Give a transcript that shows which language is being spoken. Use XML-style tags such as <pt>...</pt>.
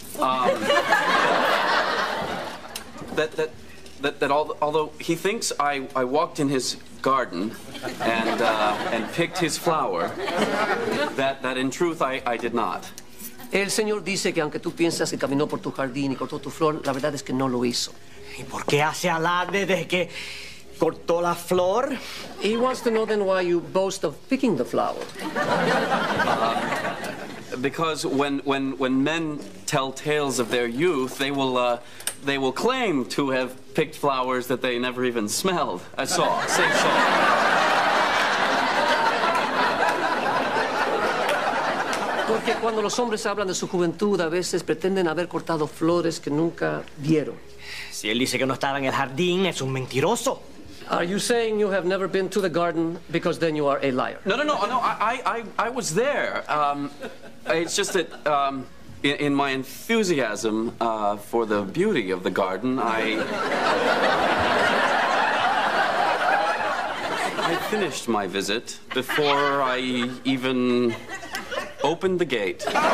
<en>Although he thinks I walked in his garden and picked his flower, that in truth I did not.</en> <es>El señor dice que aunque tú piensas que caminó por tu jardín y cortó tu flor, la verdad es que no lo hizo. ¿Y por qué hace alarde de que cortó la flor?</es> <en>He wants to know then why you boast of picking the flower. Because when men tell tales of their youth, they will claim to have picked flowers that they never even smelled. I saw. Say so.</en> <es>Porque cuando los hombres hablan de su juventud, a veces pretenden haber cortado flores que nunca vieron. Si él dice que no estaba en el jardín, es un mentiroso.</es> <en>Are you saying you have never been to the garden? Because then you are a liar. No. I was there. It's just that in my enthusiasm for the beauty of the garden, I finished my visit before I even opened the gate.</en>